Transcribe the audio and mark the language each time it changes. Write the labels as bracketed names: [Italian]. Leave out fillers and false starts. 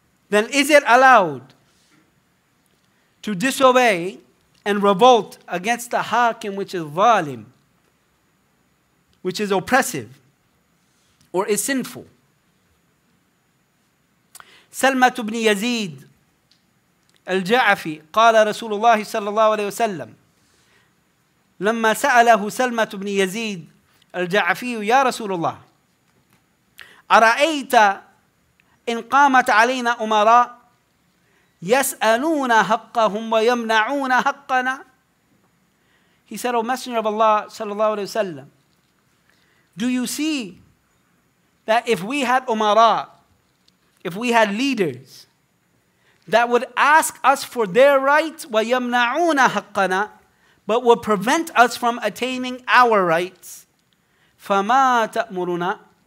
[English] Then is it allowed to disobey and revolt against the Hakim, which is Zalim, which is oppressive, or is sinful? [Arabic] سلمة بن يزيد الجعفي قال رسول الله صلى الله عليه وسلم لما سأله سلمة بن يزيد الجعفي يا رسول الله أرأيت إن قامت علينا أمراء يسألون حقهم ويمنعون حقنا. [English] He said, O Messenger of Allah صلى الله عليه وسلم, do you see that if we had umara, if we had leaders that would ask us for their rights, [Arabic] وَيَمْنَعُونَ حَقَّنَا, [English] but would prevent us from attaining our rights, [Arabic] فَمَا تَأْمُرُنَا?